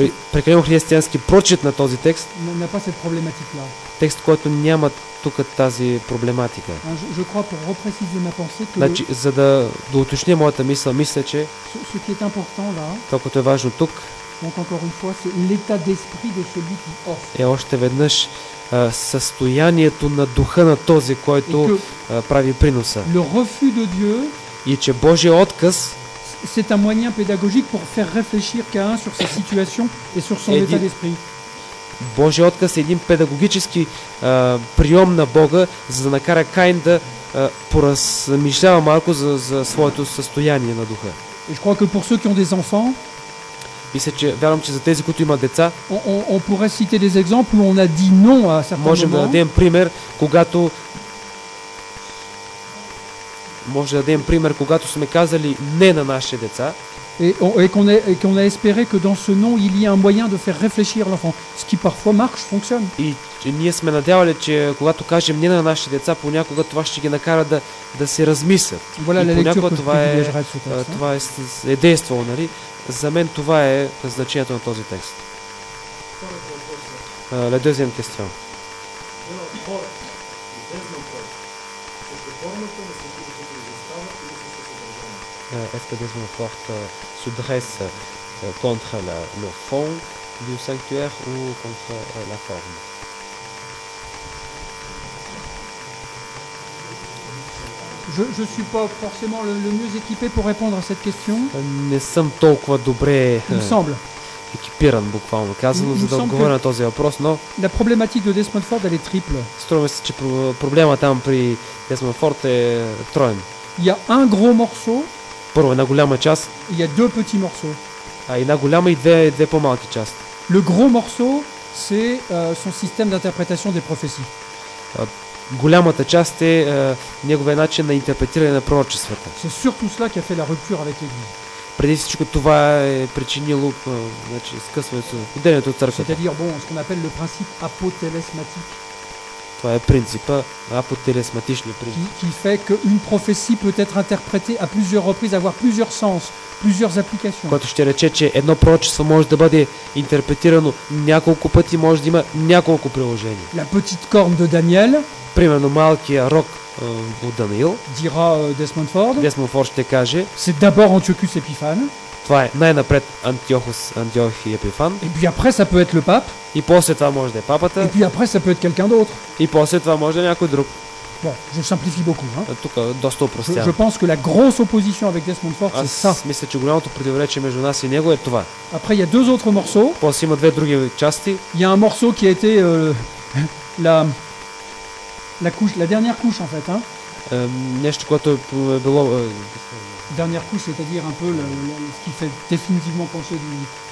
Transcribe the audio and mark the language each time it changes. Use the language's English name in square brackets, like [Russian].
[French] précalénochristianske prochit na този текст. N'a pas cette problématique là. [Bulgarian] Текст, който няма тук тази проблематика. [French] Je crois pour repréciser ma pensée que [Bulgarian] значи, за да уточня моята мисъл, мисля, че [French] ce qui est important là, [Bulgarian] това, което е важно тук, [French] donc encore une fois, c'est l'état d'esprit de celui qui offre. [Bulgarian] Е още веднъж състоянието на духа на този, който прави приноса. [French] Le refus de Dieu, [Bulgarian] и че Божия отказ, [French] c'est un moyen pédagogique pour faire réfléchir Caïn sur sa situation et sur son état d'esprit. [Bulgarian] Божия отказ е един педагогически прием на Бога, за да накара Каин да поразмишлява малко за своето състояние на духа. [French] Et je crois que pour ceux qui ont des enfants, [Bulgarian] мисля, че, вярвам, че за тези, които имат деца, [French] on pourrait citer des exemples où on a dit non à certains. [Bulgarian] Можем да дадем пример, когато сме казали не на нашите деца. [French] Et qu'on a espéré que dans ce non il y a un moyen de faire réfléchir l'enfant, ce qui parfois marche, fonctionne. [Bulgarian] Et ние сме надявали, че когато кажем не на нашите деца, понякога това ще ги накара да се размислят. [French] Voilà, [Bulgarian] и понякога това е действало, нали? За мен това е значението на този текст. [French] La deuxième question. Est-ce que des mots fortes se dressent contre le fond du sanctuaire ou contre la forme? Je ne suis pas forcément le mieux équipé pour répondre à cette question. [Bulgarian] Не съм толкова добре. [French] Il me semble. [Bulgarian] Екипиран, буквално казано, за да отговоря на този въпрос, но... [French] La problématique de Desmond Ford, elle est triple. [Bulgarian] Струва ми се, че проблема там при Desmond Ford е троен. [French] Il y a un gros morceau. [Bulgarian] Първо, една голяма част. [French] Il y a deux petits morceaux. [Bulgarian] А една голяма и две по-малки част. [French] Le gros morceau, c'est son système d'interprétation des prophéties. [Bulgarian] Голямата част е неговия начин на интерпретиране на пророчествата. [French] C'est surtout cela qui a fait la rupture avec l'Église. [Bulgarian] Преди всичко това е причинило скъсването, отделението от църквата. [French] C'est-à-dire, bon, ce qu'on appelle le principe apotelesmatique. [Bulgarian] Това е принципа, апотелесматичния принцип. [French] Qui fait qu'une prophétie peut être interprétée à plusieurs reprises, avoir plusieurs sens, plusieurs applications. [Bulgarian] Което ще рече, че едно пророчество може да бъде интерпретирано няколко пъти, може да има няколко приложения. [French] La petite corne de Daniel. [Bulgarian] Примерно малкия рог от Даниил. [French] Dira Desmond Ford. [Bulgarian] Desmond Ford ще каже. [French] C'est d'abord Antiochus Epiphane. [Bulgarian] Това е най-напред Антиохи Епифан. [French] Et puis après ça peut être le pape. [Bulgarian] И после това може да е папата. [French] Et puis après ça peut être quelqu'un d'autre. [Bulgarian] И после това може да е някой друг. [French] Bon, je simplifie beaucoup, hein. [Bulgarian] Тук доста упростявам. [French] Je pense que la grosse opposition avec Desmond Ford, c'est ça. [Bulgarian] Мисля, че голямото противоречие между нас и него е това. [French] Après il y a deux autres morceaux. [Bulgarian] После има две други части. [French] Il y a un morceau qui a été la couche, la dernière couche en fait, hein. [Bulgarian] Нещо, което е било [French] dernière couche, c'est-à-dire un peu ce qui fait définitivement penser du.